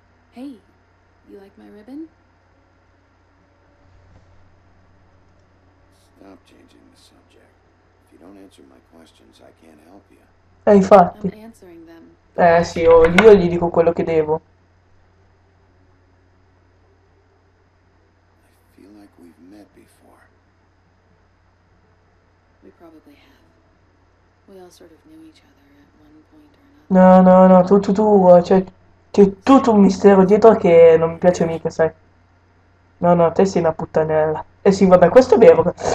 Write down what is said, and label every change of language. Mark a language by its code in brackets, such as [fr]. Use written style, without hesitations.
[en] Hey. You like my ribbon? Stop changing the subject. If you don't answer my questions, I can't help you. [it] Infatti. [en] I'm answering them. [it] Sì, io gli dico quello che devo. [en] I feel like we've met before. We probably have. We all sort of knew each other at one point or another. [it] No, no, no, tu, cioè. C'è tutto un mistero dietro che non mi piace mica, sai. No, no, te sei una puttanella. Eh sì, vabbè, questo è vero.